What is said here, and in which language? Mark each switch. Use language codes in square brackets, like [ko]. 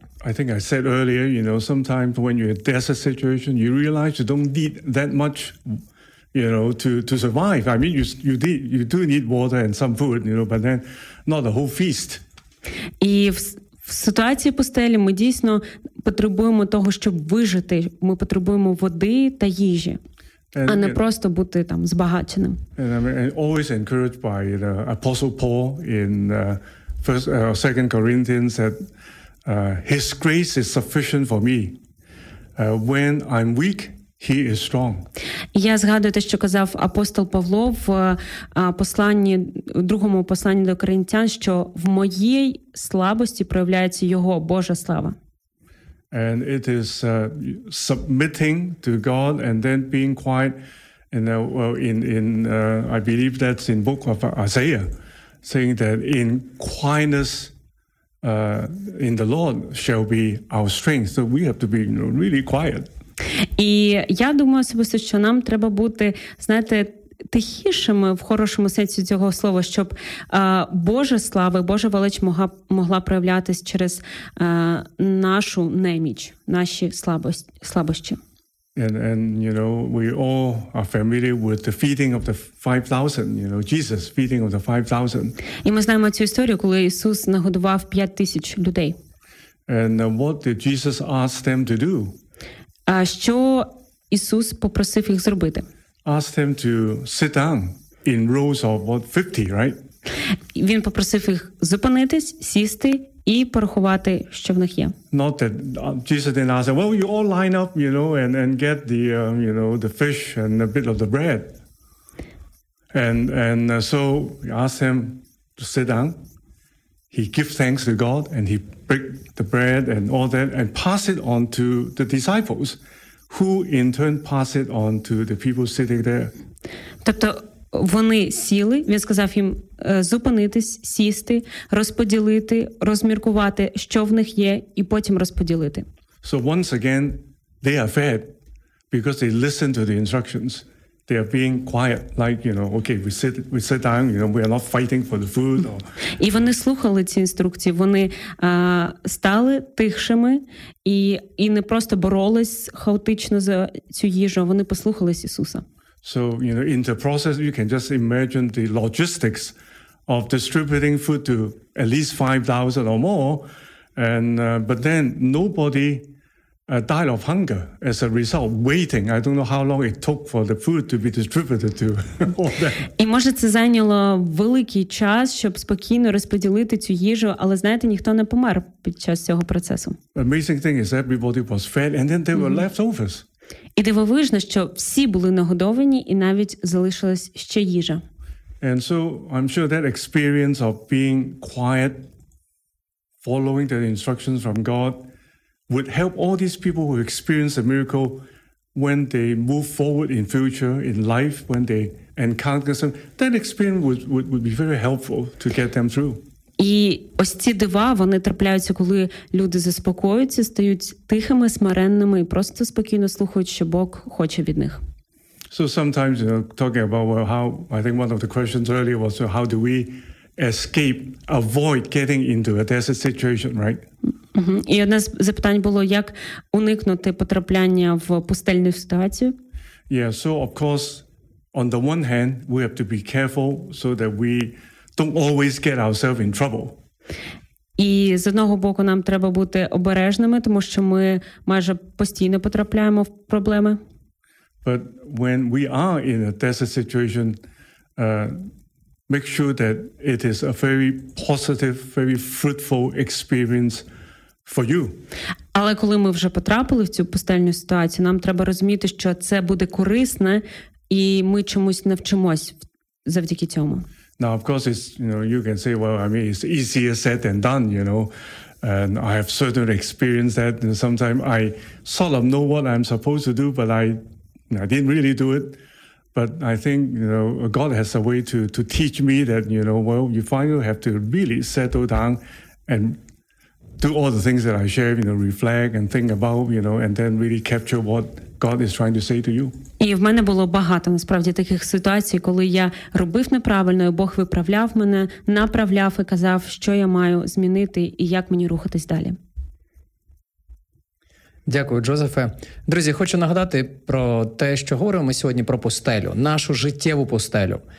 [en] I think I said earlier, you know, sometimes when you're in a desert situation, you realize you don't need that much, you know, to survive. I mean, you do need water and some food, you know, but then not a whole feast. [uk] І в ситуації пустелі ми дійсно потребуємо того, щоб вижити. Ми потребуємо води та їжі, а не просто бути там збагаченим. [en] And I'm always encouraged by the Apostle Paul in Second Corinthians that his grace is sufficient for me. When I'm weak, he is strong. [uk] Я згадую те, що казав апостол Павло в посланні, в другому посланні до Коринтян, що в моїй слабості проявляється його Божа слава. [en] And it is submitting to God and then being quiet. And I believe that's in book of Isaiah, saying that in quietness, in the Lord shall be our strength. So we have to be, you know, really quiet. [uk] І я думаю особисто, що нам треба бути, знаєте, тихішими в хорошому сенсі цього слова, щоб Божа слава, Божа велич могла проявлятись через нашу неміч, наші слабощі. [en] And you know, we all are familiar with the feeding of the 5,000, you know, Jesus feeding of the 5,000. [uk] І ми знаємо цю історію, коли Ісус нагодував 5,000 людей. [en] And what did Jesus ask them to do? [uk] Що Ісус попросив їх зробити? [en] Ask them to sit down in rows of what, 50, right? [uk] Він попросив їх зупинитись, сісти і порахувати, що в них є. [en] Not that Jesus didn't ask them, well, you all line up, you know, and get the, you know, the fish and a bit of the bread. And so he asked them to sit down. He gives thanks to God and he break the bread and all that and pass it on to the disciples, who in turn pass it on to the people sitting there. [uk] Тобто вони сіли, він сказав їм зупинитись, сісти, розподілити, розміркувати, що в них є, і потім розподілити. [en] So once again, they are fed because they listen to the instructions. They are being quiet, like, you know, okay, we sit down, you know, we are not fighting for the food. [uk] І вони слухали ці інструкції, вони стали тихшими і не просто боролись хаотично за цю їжу, вони послухались Ісуса. [en] So, you know, in the process, you can just imagine the logistics of distributing food to at least 5,000 or more. But then nobody died of hunger as a result, waiting. I don't know how long it took for the food to be distributed to all that. [uk] І може це зайняло великий час, щоб спокійно розподілити цю їжу, але знаєте, ніхто не помер під час цього процесу. [en] Amazing thing is everybody was fed and then there were leftovers. [uk] І дивовижно, що всі були нагодовані і навіть залишилась ще їжа. [en] And so I'm sure that experience of being quiet, following the instructions from God, would help all these people who experience a miracle when they move forward in future, in life, when they encounter some, that experience would be very helpful to get them through. [uk] І ось ці дива, вони трапляються, коли люди заспокоюються, стають тихими, смиренними і просто спокійно слухають, що Бог хоче від них. [en] So sometimes, you know, talking about how, I think one of the questions earlier was, so how do we escape, avoid getting into a desert situation, right? [uk] І одне з запитань було, як уникнути потрапляння в пустельну ситуацію? [en] Yeah, so of course, on the one hand, we have to be careful so that we don't always get ourselves in trouble. [uk] І з одного боку нам треба бути обережними, тому що ми майже постійно потрапляємо в проблеми. [en] But when we are in a desert situation, make sure that it is a very positive, very fruitful experience for you. [uk] Але коли ми вже потрапили в цю пустельну ситуацію, нам треба розуміти, що це буде корисне, і ми чомусь навчимось завдяки цьому. [en] Now, of course, it's, you know, you can say, well, I mean, it's easier said than done, you know, and I have certainly experienced that, and sometimes I sort of know what I'm supposed to do, but I didn't really do it. But I think, you know, God has a way to teach me that, you know, well, you finally have to really settle down and do all the things that I share, you know, reflect and think about, you know, and then really capture what God is trying to say to you. [uk] І в мене було багато насправді таких ситуацій, коли я робив неправильно, і Бог виправляв мене, направляв і казав, що я маю змінити і як мені рухатись далі. Дякую, Джозефе. Друзі, хочу нагадати про те, що говоримо сьогодні про пустелю, нашу життєву пустелю.